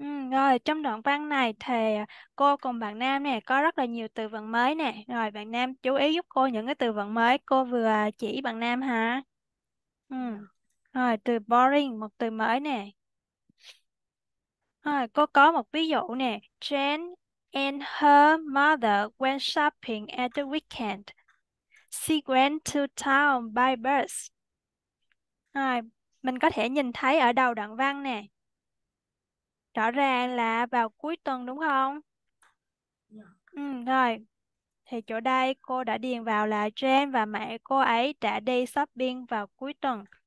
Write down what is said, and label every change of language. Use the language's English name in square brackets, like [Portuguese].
[Vietnamese] Rồi trong đoạn văn này thì cô cùng bạn Nam nè có rất là nhiều từ vựng mới nè. Rồi bạn Nam chú ý giúp cô những cái từ vựng mới cô vừa chỉ bạn Nam hả? Rồi từ boring một từ mới nè. Rồi cô có một ví dụ nè. [English] Jane and her mother went shopping at the weekend. She went to town by bus. [Vietnamese] Rồi mình có thể nhìn thấy ở đầu đoạn văn nè. Rõ ràng là vào cuối tuần đúng không? Rồi. Thì chỗ đây cô đã điền vào là Jane và mẹ cô ấy đã đi shopping vào cuối tuần.